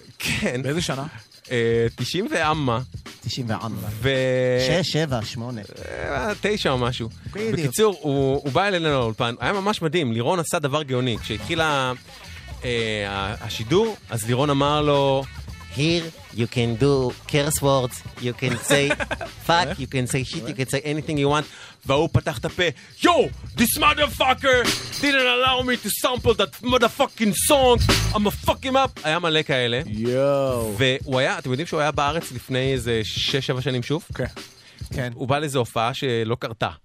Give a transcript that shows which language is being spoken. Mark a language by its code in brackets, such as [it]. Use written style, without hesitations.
[he] כן באיזה שנה? 90 ואמה 90 ואמה 6, 7, 8 9 או משהו בדיוק. בקיצור, הוא בא אלינו לאולפן היה ממש מדהים, לירון עשה דבר גאוני כשהתחילה השידור אז לירון אמר לו [en] Here you can do curse words you can say fuck you can say shit, you can say anything you want [he] והוא פתח את הפה [en] Yo, this motherfucker didn't allow me to sample that motherfucking song I'm a fucking up [he] היה מלא כאלה [en] Yo. [he] והוא היה, אתם יודעים שהוא היה בארץ לפני איזה 6-7 שנים שוב? כן הוא בא לאיזו הופעה שלא קרתה